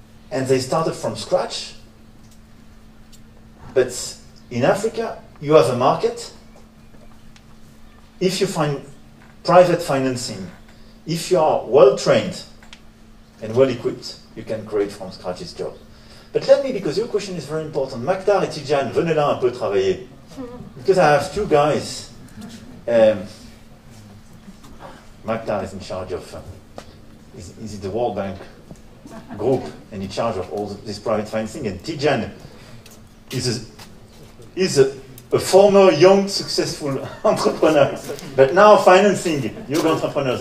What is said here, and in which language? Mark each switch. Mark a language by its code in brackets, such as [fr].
[en] And they started from scratch. But in Africa, you have a market. If you find private financing, if you are well-trained and well-equipped, you can create from scratch this job. But let me, because your question is very important. [fr] Magdar et Tidjane, venez là un peu travailler. [en] Because I have two guys. Magdar is in charge of, is it the World Bank group, and in charge of all this private financing. And Tidjane is a former young, successful entrepreneur, but now financing young entrepreneurs.